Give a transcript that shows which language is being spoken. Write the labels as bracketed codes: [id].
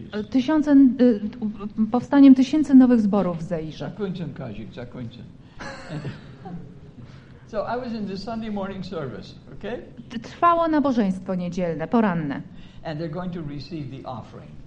[pl] Tysiące, powstaniem tysięcy nowych zborów w Zeirze. Zakończę, Kazik, zakończę. [en] So I was in the Sunday morning service, okay? [pl] Trwało nabożeństwo niedzielne, poranne. [en] And they're going to receive the offering.